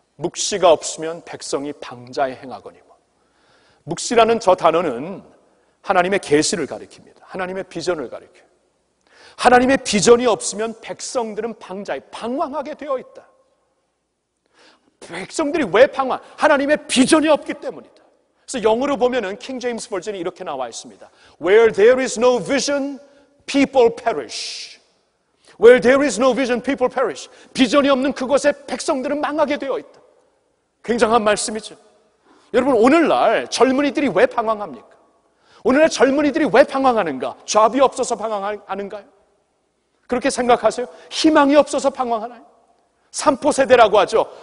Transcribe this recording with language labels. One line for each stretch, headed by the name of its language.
Korean: 묵시가 없으면 백성이 방자에 행하거니와. 묵시라는 저 단어는 하나님의 계시를 가리킵니다. 하나님의 비전을 가리켜요. 하나님의 비전이 없으면 백성들은 방자에 방황하게 되어 있다. 백성들이 왜 방황? 하나님의 비전이 없기 때문이다. 그래서 영어로 보면은 킹 제임스 버전이 이렇게 나와 있습니다.
English: Where there is no vision, people perish. Where there is no vision, people perish.
Korean: 비전이 없는 그곳에 백성들은 망하게 되어 있다. 굉장한 말씀이죠. 여러분, 오늘날 젊은이들이 왜 방황합니까? 오늘날 젊은이들이 왜 방황하는가? 잡이 없어서 방황하는가요? 그렇게 생각하세요? 희망이 없어서 방황하나요? 삼포세대라고 하죠.